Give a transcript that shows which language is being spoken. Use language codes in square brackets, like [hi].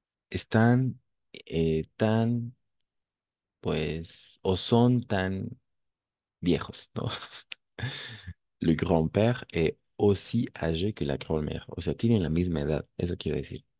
[es] Están tan, pues, o son tan viejos, ¿no? [fr] Le grand-père est aussi âgé que la grand-mère. [es] O sea, tienen la misma edad, eso quiero decir.